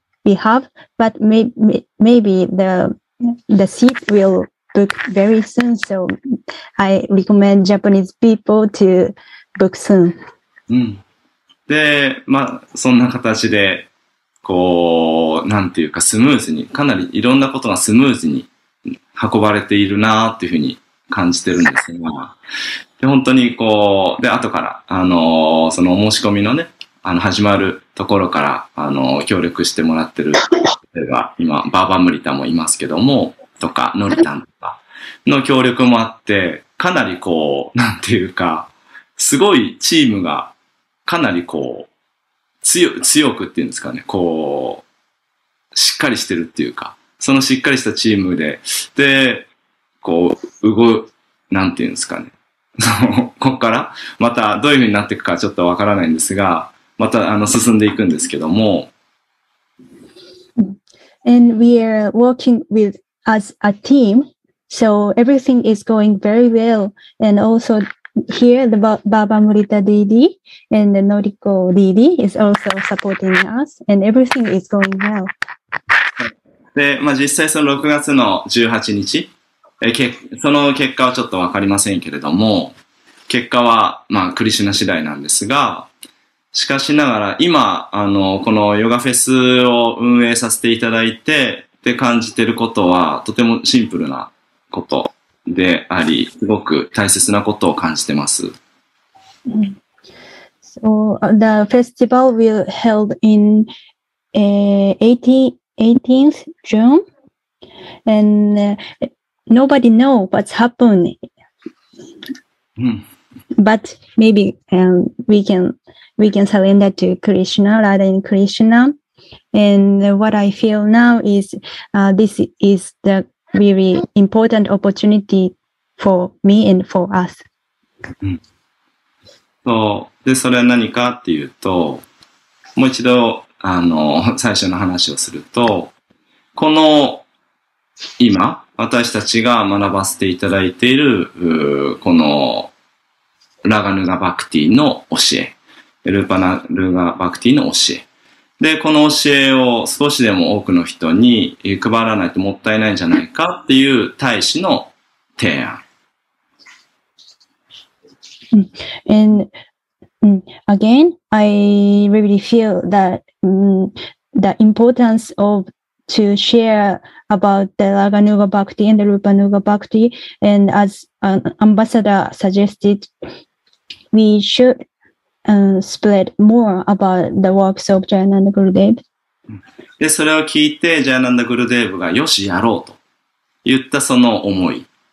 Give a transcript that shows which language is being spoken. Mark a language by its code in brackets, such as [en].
[en] We have, but maybe the seat will book very soon. So I recommend Japanese people to book soon. [ja] で、まあそんな形でこうなんていうかスムーズにかなりいろんなことがスムーズに運ばれているなっていうふうに感じてるんですが、で本当にこうで後からその申し込みのね。始まるところから、協力してもらってる、例えば、今、バーバムリタもいますけども、とか、ノリタンとか、の協力もあって、かなりこう、なんていうか、すごいチームが、かなりこう、強くっていうんですかね、こう、しっかりしてるっていうか、そのしっかりしたチームで、で、こう、なんていうんですかね、ここから、また、どういうふうになっていくか、ちょっとわからないんですが、また進んでいくんですけども。 [en] And we are working with as a team, so everything is going very well. And also here, the Baba Murita DD and the Noriko DD is also supporting us, and everything is going well. [ja] で、まあ実際その6月の18日、その結果はちょっとわかりませんけれども、結果はまあクリシュナ次第なんですが、しかしながら、今、このヨガフェスを運営させていただいて、で感じてることは、とてもシンプルなことであり、すごく大切なことを感じてます。 [en] So, the festival will be held in 18th June, and nobody knows what's happened. But maybe, we can surrender to Krishna, Radha and Krishna. And what I feel now is this is the really important opportunity for me and for us. [ja] そう。で、それは何かっていうと、もう一度、最初の話をすると、この今、私たちが学ばせていただいているこのラガヌガバクティの教え、ルーパナルガバクティの教え。で、この教えを少しでも多くの人に配らないともったいないんじゃないかっていう大使の提案。 [en] And again, I really feel that the importance of to share about the Raga Nuga Bhakti and the Rupa Nuga Bhakti, and as an ambassador suggested, we should spread more about the works of Jayananda Gurudev. [ja] で、それを聞いてジャイナンダ・グルデーブがよしやろうと言ったその思い。